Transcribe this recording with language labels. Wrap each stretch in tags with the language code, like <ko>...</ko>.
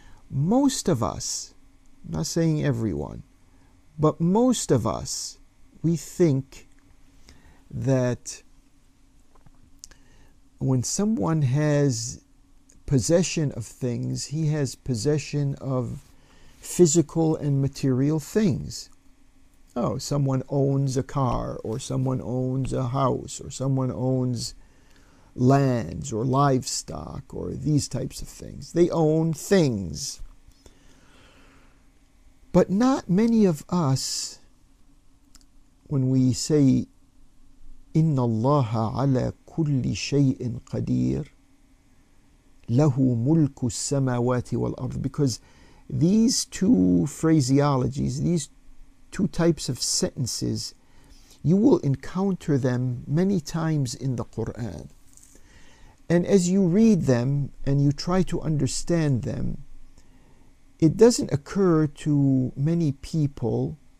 <en>Most of us, I'm not saying everyone, but most of us, we think that when someone has possession of things, he has possession of physical and material things. Oh, someone owns a car, or someone owns a house, or someone owns lands or livestock, or these types of things. They own things. But not many of us, when we say,</en> <ar>إن الله على كل شيء قدير له ملك السماوات والأرض.</ar> <en>Because these two phraseologies, these two types of sentences, you will encounter them many times in the Quran. And as you read them and you try to understand them, it doesn't occur to many people,</en>